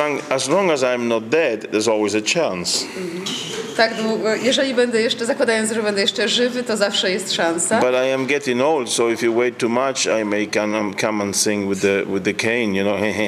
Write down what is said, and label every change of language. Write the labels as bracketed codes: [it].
[en] As long as I'm not dead, there's always a chance. [pl] Tak długo, jeżeli będę jeszcze, zakładając, że będę jeszcze żywy, to zawsze jest szansa. [en] But I am getting old, so if you wait too much, I may come and sing with the cane, you know.